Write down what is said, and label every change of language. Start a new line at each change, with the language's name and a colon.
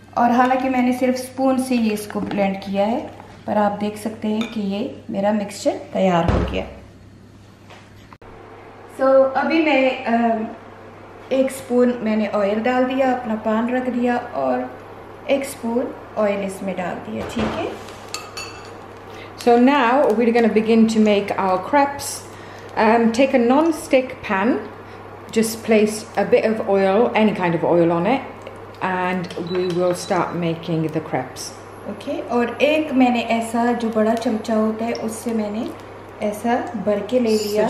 Hindi: और हालांकि मैंने सिर्फ spoon से ही इसको blend किया है, पर आप देख सकते हैं कि ये मेरा mixture तैयार हो गया. So अभी मैं एक स्पून मैंने ऑयल डाल दिया, अपना पैन रख दिया और एक स्पून ऑयल इसमें डाल दिया. ठीक है.
English: So now we're going to begin to make our crepes. Take a non-stick pan, just place a bit of oil, any kind of oil on it, and we will start making the crepes. Okay.
Hindi: और एक मैंने ऐसा जो बड़ा चमचा होता है उससे मैंने ऐसा भर के ले लिया.